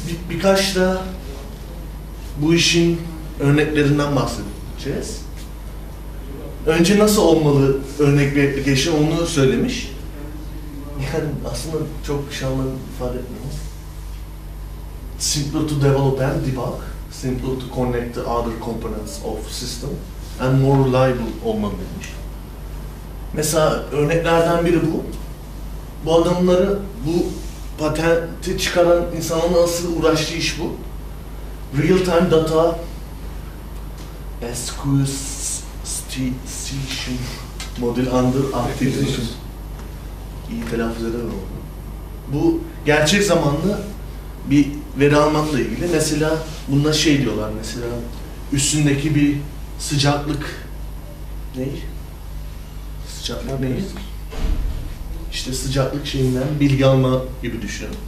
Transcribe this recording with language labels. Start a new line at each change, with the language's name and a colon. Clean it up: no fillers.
Turkish: Birkaç da bu işin örneklerinden bahsedeceğiz. Önce nasıl olmalı örnek bir application onu söylemiş. Yani aslında çok şanlı ifade etmemiz.
English: Simpler to develop and debug, simpler to connect to other components of system and more reliable
Turkish: olmalı demiş. Mesela örneklerden biri bu. Bu adamları, bu patenti çıkaran insanın asıl uğraştığı iş bu.
English: Real-time data acquisition model under acquisition.
Turkish: İyi telaffuz eder mi? Bu gerçek zamanlı bir veri almakla ilgili. Mesela bunda şey diyorlar, mesela üstündeki bir sıcaklık ney? Sıcaklık ney? İşte sıcaklık şeyinden bilgi alma gibi düşünün.